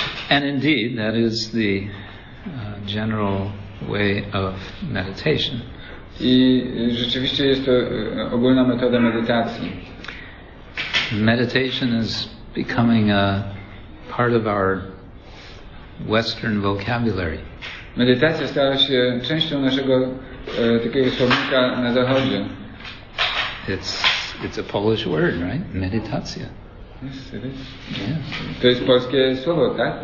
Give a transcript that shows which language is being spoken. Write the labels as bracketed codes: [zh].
[en] And indeed, that is the general way of meditation. [pl] I rzeczywiście jest to ogólna metoda medytacji. [en] Meditation is becoming a part of our Western vocabulary. [pl] Medytacja stała się częścią naszego takiego słownika na zachodzie. [en] It's a Polish word, right? Meditacja. Yes, it is. Yeah. [pl] To jest polskie słowo, tak?